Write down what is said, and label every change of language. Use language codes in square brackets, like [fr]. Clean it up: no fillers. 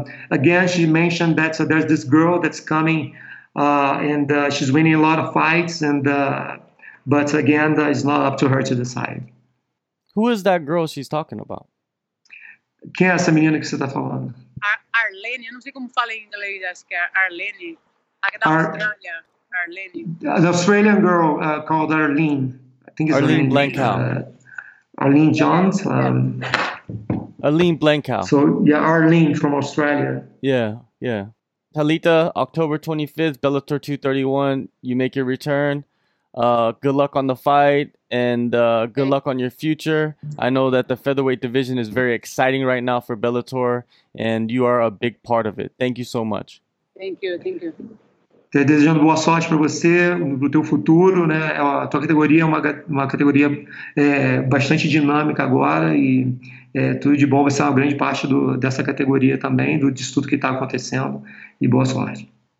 [en] Again, she mentioned that so there's this girl that's coming, and she's winning a lot of fights, and But again, that is not up to her to decide. Who is that girl she's talking about? [pt] Quem é essa menina que você tá falando? Arlene, eu não sei como fala em inglês, acho que é Arlene. Arlene. [en] The Australian girl called Arlene. I think it's Arlene Blankow. Arlene Jones. Arlene Blankow. So, yeah, Arlene from Australia. Yeah, yeah. Talita, October 25th, Bellator 231. You make your return. Good luck on the fight and good luck on your future. I know that the featherweight division is very exciting right now for Bellator, and you are a big part of it. Thank you so much. Thank you. [pt] Desejando boa sorte para você, pro teu futuro, né? A tua categoria é uma categoria bastante dinâmica agora e tudo de bom vai ser uma grande parte dessa categoria também, de tudo que está acontecendo. E boa sorte.